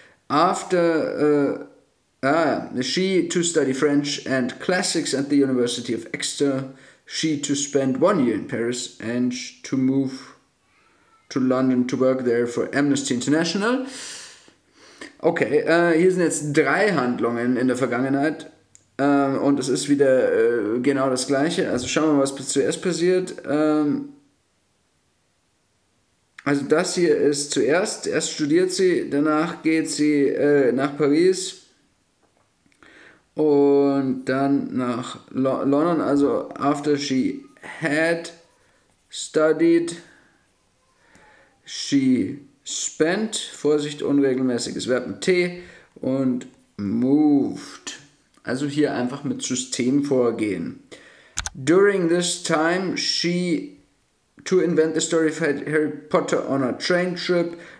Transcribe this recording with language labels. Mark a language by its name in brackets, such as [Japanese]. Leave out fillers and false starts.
[English] After she to study French and classics at the University of Exeter, she to spend 1 year in Paris and to move to London to work there for Amnesty International. [German] Okay, hier sind jetzt drei Handlungen in der Vergangenheit und es ist wieder genau das Gleiche. Also schauen wir mal, was zuerst passiert. Also das hier ist zuerst, erst studiert sie, danach geht sie nach Paris und dann nach London, also [English] after she had studied, she spent, [German] Vorsicht, unregelmäßiges Verb mit T und moved. Also hier einfach mit System vorgehen. [English] During this time she to invent the story of Harry Potter on a train trip.